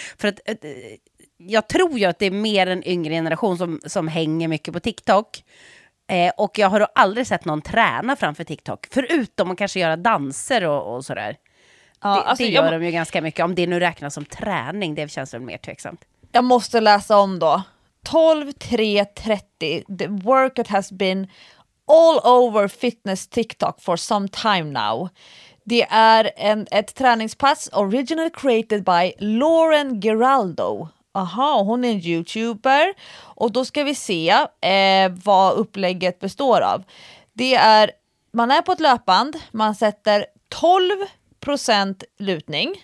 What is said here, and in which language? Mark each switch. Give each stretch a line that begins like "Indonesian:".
Swedish: För att jag tror ju att det är mer en yngre generation som hänger mycket på TikTok. Och jag har då aldrig sett någon träna framför TikTok. Förutom att kanske göra danser och sådär. Ja, de ju ganska mycket. Om det nu räknas som träning, det känns väl mer tveksamt. Jag måste läsa om då. 12-3-30.
English: The workout has been all over fitness TikTok for some time now.
Swedish: Det är ett träningspass
English: originally created by
Swedish: Lauren Geraldo. Aha, hon är en YouTuber. Och då ska vi se vad upplägget består av. Det är, man är på ett löpband. Man sätter 12% lutning.